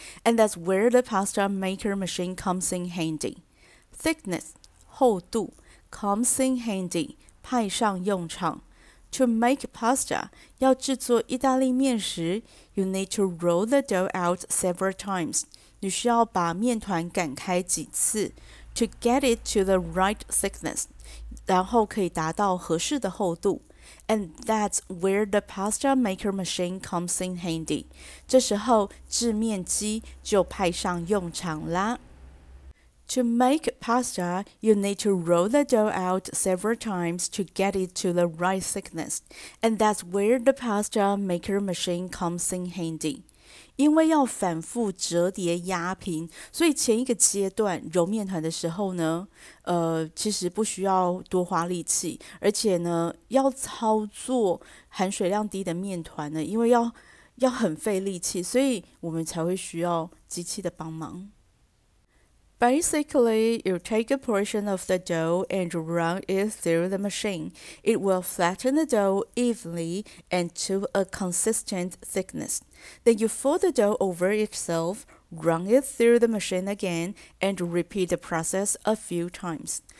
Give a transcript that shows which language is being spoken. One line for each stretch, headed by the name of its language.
English: And that's where the pasta maker machine comes in handy. Thickness, 厚度，comes in handy，
Chinese: 派上用场。
English: To make pasta,
Chinese: 要制作意大利面食，
English: you need to roll the dough out several times.
Chinese: 你需要把面团擀开几次
English: ，to get it to the right thickness，
Chinese: 然后可以达到合适的厚度。
English: And that's where the pasta maker machine comes in handy.
Chinese: 这时候制面机就派上用场啦。
English: To make pasta, you need to roll the dough out several times to get it to the right thickness. And that's where the pasta maker machine comes in handy.
Chinese: 因为要反复折叠压平，所以前一个阶段揉面团的时候呢，其实不需要多花力气，而且呢，要操作含水量低的面团呢，因为要很费力气，所以我们才会需要机器的帮忙。
English: Basically, you take a portion of the dough and run it through the machine. It will flatten the dough evenly and to a consistent thickness. Then you fold the dough over itself, run it through the machine again, and repeat the process a few times.